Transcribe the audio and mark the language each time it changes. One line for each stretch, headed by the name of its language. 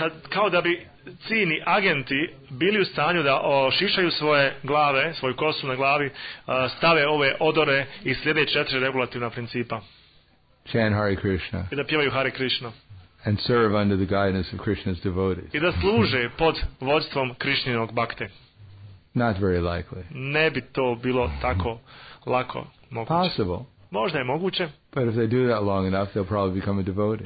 Bosnian: Kao da bi CIA agenti bili u stanju da ošišaju svoje glave, svoju kosu na glavi, stave ove odore i slijede četiri regulativna principa.
English: Chant Hare Krishna.
Bosnian: I da pjevaju Hare Krishna.
English: And serve under the guidance of Krishna's devotees.
Bosnian: I da služe pod vođstvom Krišninog bhakte.
English: Not very likely.
Bosnian: Ne bi to bilo tako lako moguće.
English: Possible.
Bosnian: Možda je moguće.
English: But if they do that long enough, they'll probably become a devotee.